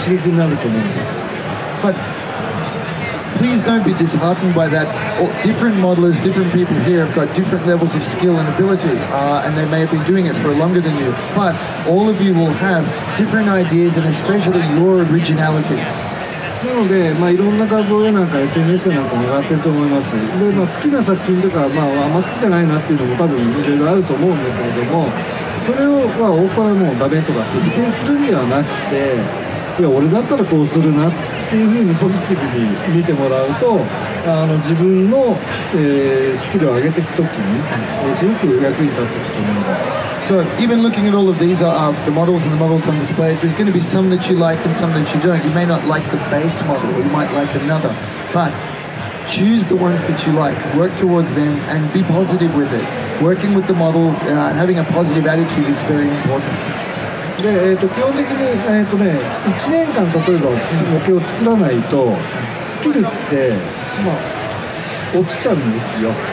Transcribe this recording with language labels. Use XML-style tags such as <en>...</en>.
<ja>それはね、その人の模型を作ってきた経験であるとか、それからスキルの違いとかって当然あるんだけれども、じゃあもし自分だったらこれでもっとこうするのにっていうのは、それは自分のオリジナリティを引き出す力の刺激になると思います。But</ja> <en>please don't be disheartened by that. Different modelers, different people here have got different levels of skill and ability, and they may have been doing it for longer than you. But all of you will have different ideas and especially your originality.</en> <ja>なので、いろんな画像絵なんか、SNSなんかもらってると思います。好きな作品とか、好きじゃないなっていうのも多分いろいろあると思うんだけれども、それを大っぱらもうダメとかって否定するんではなくて、いや、俺だったらこうするなっていうふうにポジティブに見てもらうと、自分のスキルを上げていくときに、すごく役に立っていくと思います。</ja> <en>So even looking at all of these the models and the models on display, there's going to be some that you like and some that you don't. You may not like the base model, or you might like another. But choose the ones that you like, work towards them, and be positive with it. Working with the model and having a positive attitude is very important.</en> <ja>で、基本的に、ね、1年間例えば模型を作らないとスキルって、まあ、落ちちゃうんですよ。</ja>